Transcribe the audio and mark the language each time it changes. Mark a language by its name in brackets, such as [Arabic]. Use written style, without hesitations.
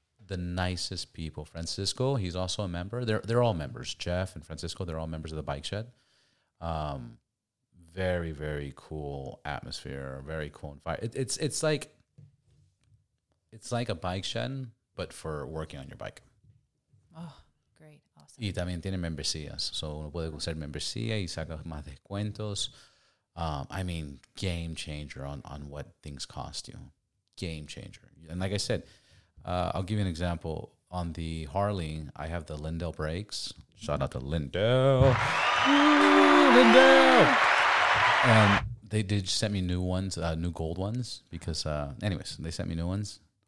[English] The nicest people. Francisco, he's also a member. They're all members. Jeff and Francisco, they're all members of the bike shed. Very, very cool atmosphere. Very cool environment. It's like a bike shed, but for working on your bike. Oh, great. Awesome. [Spanish] Y también tiene membresías. So uno puede usar membresía y saca más descuentos. [English] I mean, game changer on what things cost you. Game changer. And like I said, I'll give you an example. On the Harley, I have the Lindell brakes. Shout out to Lindell. Lindell! And they sent me new ones, new gold ones. Because, anyways, they sent me new ones.